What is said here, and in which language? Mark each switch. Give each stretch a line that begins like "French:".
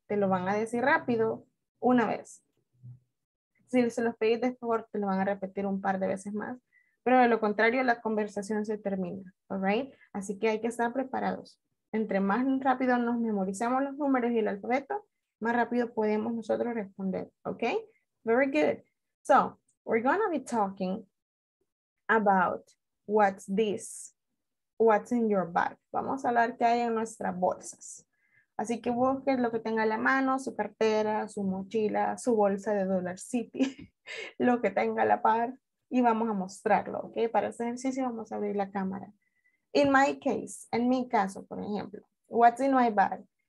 Spanish: Te lo van a decir rápido una vez. Si se los pedís después, te lo van a repetir un par de veces más. Pero de lo contrario, la conversación se termina.
English: All right?
Spanish: Así que hay que estar preparados. Entre más rápido nos memorizamos los números y el alfabeto, más rápido podemos nosotros responder.
English: Okay? Very good. So, we're going to be talking about what's this, what's in your bag.
Spanish: Vamos a hablar qué hay en nuestras bolsas. Así que busque lo que tenga a la mano, su cartera, su mochila, su bolsa de Dollar City, lo que tenga a la par, y vamos a mostrarlo, ¿ok? Para este ejercicio vamos a abrir la cámara.
English: In my case,
Spanish: en mi caso, por ejemplo,
English: what's in my bag?